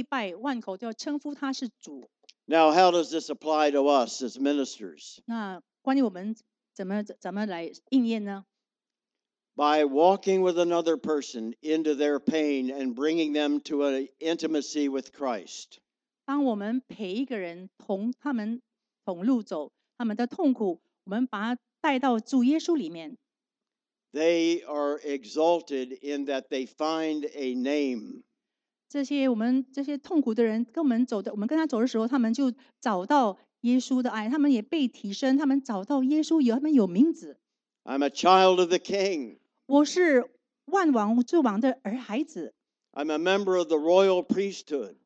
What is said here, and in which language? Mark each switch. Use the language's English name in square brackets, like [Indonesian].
[Chinese] 他被提为高，因为有一天呢，万口万膝都要跪拜，万口都要称呼他是主。 [English] Now, how does this apply to us as ministers? [Chinese] 那关于我们怎么来应验呢？ [English] By walking with another person into their pain and bringing them to an intimacy with Christ. [Chinese] 当我们陪一个人同他们同路走，他们的痛苦，我们把他带到主耶稣里面。 [English] They are exalted in that they find a name. [Chinese] 这些痛苦的人跟我们走的，我们跟他走的时候，他们就找到耶稣的爱，他们也被提升，他们找到耶稣，他们有名字。 [English] I'm a child of the King. [Chinese] 我是万王之王的儿孩子。 [English] I'm a member of the royal priesthood.